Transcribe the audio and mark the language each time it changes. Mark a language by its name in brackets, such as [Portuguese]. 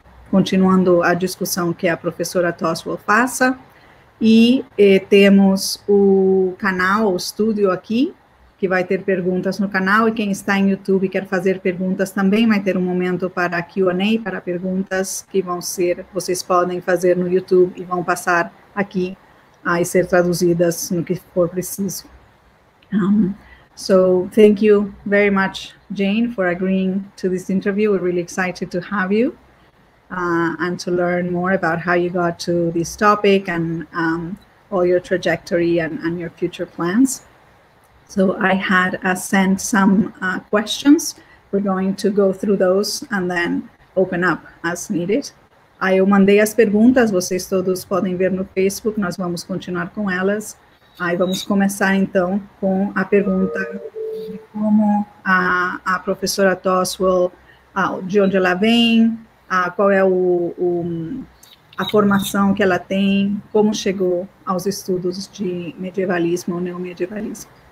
[Portuguese] Continuando a discussão que a professora Toswell faça, e temos o canal, o estúdio aqui, que vai ter perguntas no canal, e quem está em YouTube e quer fazer perguntas também vai ter um momento para Q&A, para perguntas que vão ser, vocês podem fazer no YouTube e vão passar aqui e ser traduzidas no que for preciso. [English] So, thank you very much, Jane, for agreeing to this interview. We're really excited to have you and to learn more about how you got to this topic and all your trajectory and your future plans. So, I had sent some questions. We're going to go through those and then open up as needed. [Portuguese] Aí eu mandei as perguntas, vocês todos podem ver no Facebook, nós vamos continuar com elas. Aí vamos começar então com a pergunta de como a professora Toswell, de onde ela vem, qual é a formação que ela tem, como chegou aos estudos de medievalismo ou neomedievalismo.